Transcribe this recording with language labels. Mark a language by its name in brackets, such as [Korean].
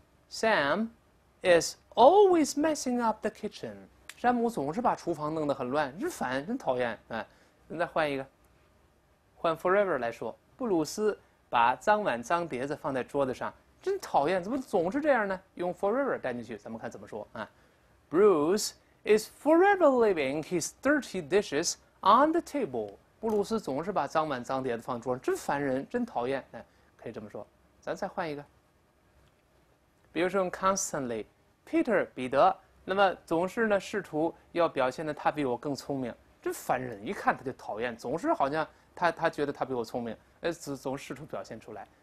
[English] Sam is always messing up the kitchen， [Chinese] 山姆总是把厨房弄得很乱，真烦，真讨厌。再换一个，换 forever 来说，布鲁斯把脏碗脏碟子放在桌子上，真讨厌，怎么总是这样呢？用 forever 带进去咱们看怎么说啊。 [English] Bruce is forever leaving his dirty dishes on the table. [Chinese] 布鲁斯总是把脏碗脏碟子放桌上，真烦人，真讨厌。哎，可以这么说。咱再换一个，比如说用 constantly， Peter 彼得，那么总是呢试图要表现的他比我更聪明，真烦人，一看他就讨厌，总是好像他觉得他比我聪明，总试图表现出来。